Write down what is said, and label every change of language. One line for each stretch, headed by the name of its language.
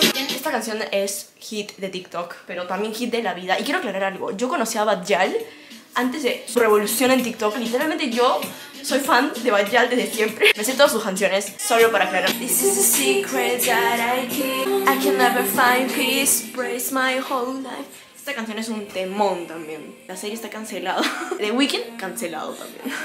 Spanish: Esta canción es hit de TikTok, pero también hit de la vida. Y quiero aclarar algo. Yo conocí a Batyal antes de su revolución en TikTok. Literalmente yo soy fan de Batyal desde siempre. Me sé todas sus canciones, solo para aclarar.
English: This is a secret that I keep. I can never find peace. Brace my whole life.
Spanish: Esta canción es un temón también. La serie está cancelada. The Weeknd, cancelado también.